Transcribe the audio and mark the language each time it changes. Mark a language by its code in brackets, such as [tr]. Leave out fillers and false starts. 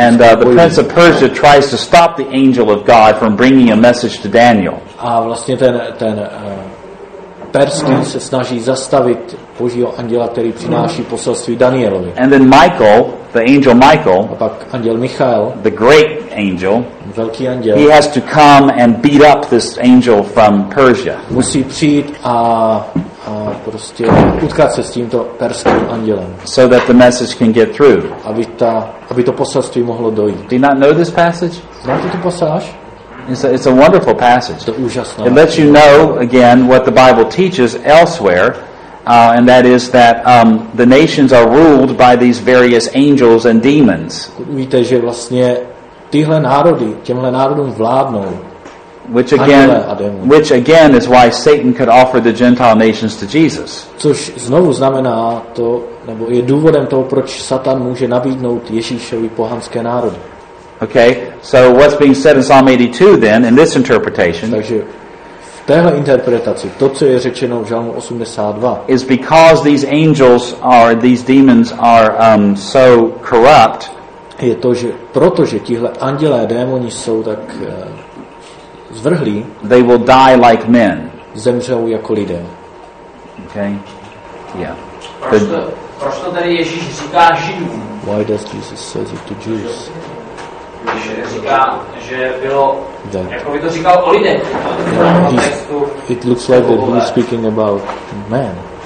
[en] and the prince of Persia tries to stop the angel of God from bringing a message to Daniel. [cs] A vlastně ten perský se snaží zastavit Božího anděla, který přináší poselství Danielovi. [en] And then Michael, the angel Michael, [cs] a pak anděl Michael, [en] the great angel, [cs] velký anděl, [en] he has to come and beat up this angel from Persia. [cs] Musí přijít a prostě utkat se s tímto perským andělem. [en] So that the message can get through. [cs] Aby to poselství mohlo dojít. [en] Do you not know this passage? [cs] Znáte tu pasáž? [en] It's a wonderful passage. [cs] To úžasná. [en] It lets you know again what the Bible teaches elsewhere, and that is that the nations are ruled by these various angels and demons. [cs] Víte, že vlastně tyhle národy, těmhle národům vládnou [en] which again is why Satan could offer the Gentile nations to Jesus. [cs] Což znovu znamená to, nebo je důvodem toho, proč Satan může nabídnout Ježíšovi pohanské národy. [en] Okay, so what's being said in Psalm 82 then, in this interpretation, [cs] takže v téhle interpretaci, to, co je řečeno v Žalmu 82, [en] is because these angels are, these demons are so corrupt, [cs] je to, že protože tihle andělé démoni jsou tak zvrhlí, [en] they will die like men. [cs] Zemřou jako lidé. [en] Okay, yeah. [cs] Proč to tady Ježíš říká Židům? [en] Why does Jesus say it to Jews? [cs] Že říká, že bylo, jako by to říkal o lidech. [en] Yeah. It looks like that he's speaking about man.